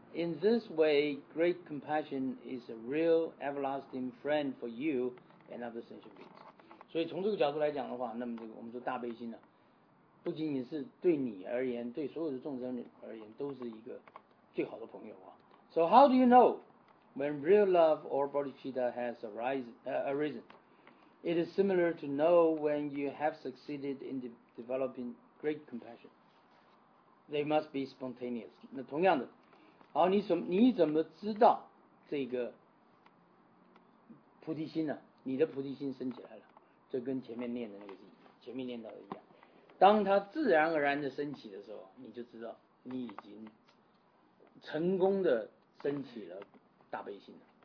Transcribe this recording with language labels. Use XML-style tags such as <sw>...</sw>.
<en>In this way, great compassion is a real everlasting friend for you and other sentient beings.</en> <zh>所以从这个角度来讲的话，那么这个我们说大悲心呢，不仅仅是对你而言，对所有的众生而言都是一个最好的朋友啊。</zh> <en>So how do you know when real love or bodhicitta has arisen? It is similar to know when you have succeeded in developing great compassion. They must be spontaneous.</en> <zh>那同样的，好，你怎么知道这个菩提心呢？你的菩提心升起来了，就跟前面念的那个前面念到的一样。当它自然而然的升起的时候，你就知道你已经成功的升起了大悲心了。</zh>